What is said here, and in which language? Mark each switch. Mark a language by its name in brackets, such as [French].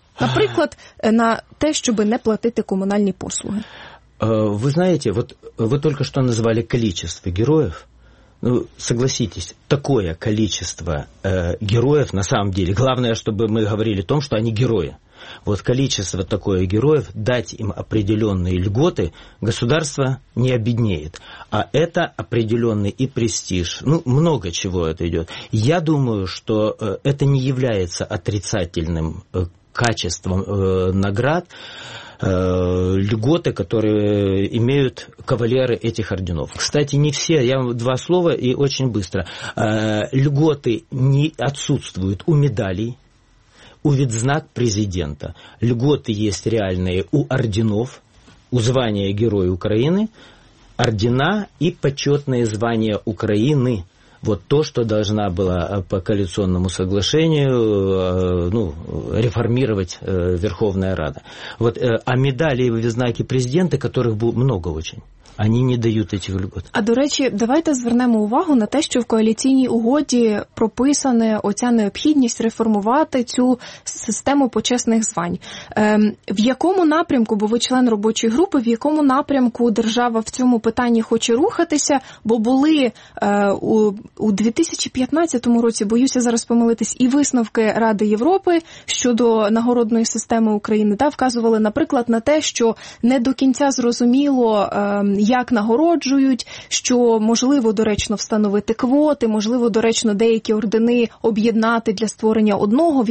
[Ukrainian] Наприклад, на те, щоб не платити комунальні послуги. Ви знаєте, от ви тільки що назвали кількість героїв. [Russian] Ну, согласитесь, [Ukrainian] таке кількість героїв, [Russian] на самом деле, [Ukrainian] головне, щоб ми [Russian] говорили о том, [Ukrainian] що вони герої. [Russian] Вот количество такое героев, дать им определенные льготы, государство не обеднеет. А это определенный и престиж. Ну, много чего это идет. Я думаю, что это не является отрицательным качеством наград, льготы, которые имеют кавалеры этих орденов. Кстати, не все, я вам два слова и очень быстро. Льготы не отсутствуют у медалей. [Ukrainian] У відзнак президента [Russian] льготы есть реальные у орденов, у звания Героя Украины, ордена и почетные звания Украины. Вот то, что должна была по коалиционному соглашению реформировать Верховная Рада. Вот, а медали и знаки президента, которых было много очень. [Ukrainian] Вони не дають цих льгот. А до речі, давайте звернемо увагу на те, що в коаліційній угоді прописана оця необхідність реформувати цю систему почесних звань. В якому напрямку, бо ви член робочої групи, в якому напрямку держава в цьому питанні хоче рухатися, бо були у 2015 році, боюся зараз помилитись, і висновки Ради Європи щодо нагородної системи України, та вказували, наприклад, на те, що не до кінця зрозуміло, як нагороджують, що можливо доречно встановити квоти, можливо доречно деякі ордени об'єднати для створення одного.